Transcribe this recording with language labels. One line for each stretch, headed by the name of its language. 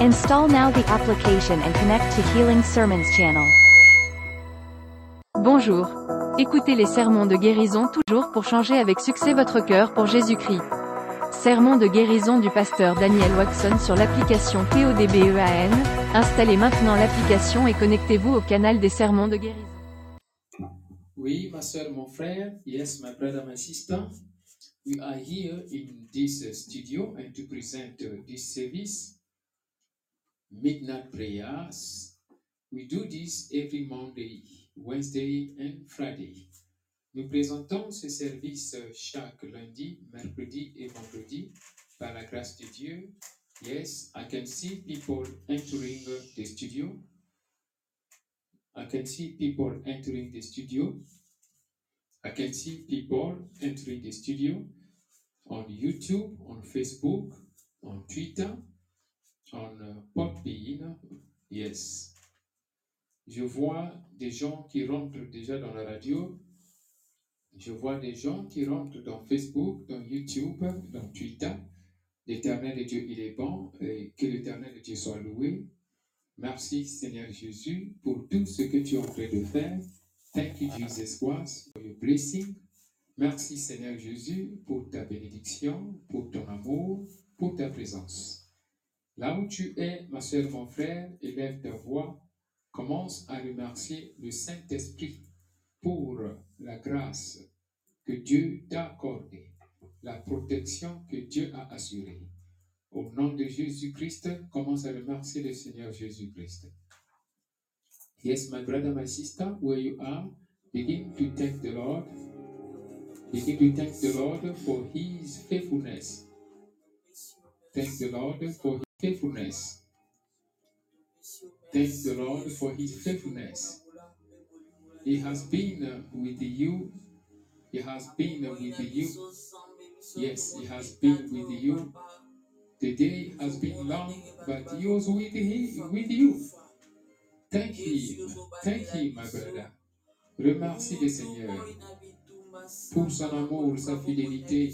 English: Install now the application and connect to Healing Sermons channel.
French: Bonjour. Écoutez les sermons de guérison toujours pour changer avec succès votre cœur pour Jésus-Christ. Sermons de guérison du pasteur Daniel Waxon sur l'application PODBEAN. Installez maintenant l'application et connectez-vous au canal des sermons de guérison. Oui, ma soeur, mon frère.
English: Yes, my brother, my sister. We are here in this studio and to present this service, Midnight Prayers. We do this every Monday, Wednesday and Friday. Nous présentons ce service chaque lundi, mercredi et vendredi par la grâce de Dieu. Yes, I can see people entering the studio. I can see people entering the studio. I can see people entering the studio on YouTube, on Facebook, on Twitter, on Podbean. Yes.
French: Je vois des gens qui rentrent déjà dans la radio. Je vois des gens qui rentrent dans Facebook, dans YouTube, dans Twitter. L'Éternel Dieu, il est bon et que l'Éternel Dieu soit loué. Merci Seigneur Jésus pour tout ce que tu es en train de faire.
English: Thank you Jesus Christ for your blessing.
French: Merci Seigneur Jésus pour ta bénédiction, pour ton amour, pour ta présence. Là où tu es, ma soeur, mon frère, élève ta voix. Commence à remercier le Saint-Esprit pour la grâce que Dieu t'a accordée, la protection que Dieu a assurée. Au nom de Jésus-Christ, commence à remercier le Seigneur Jésus-Christ.
English: Yes, my brother, my sister, where you are, begin to thank the Lord. Begin to thank the Lord for His faithfulness. Thank the Lord for His faithfulness. Thank the Lord for His faithfulness. He has been with you. He has been with you. Yes, He has been with you. The day has been long, but He was with you. Thank Him, my brother.
French: Remercie le Seigneur pour son amour, sa fidélité.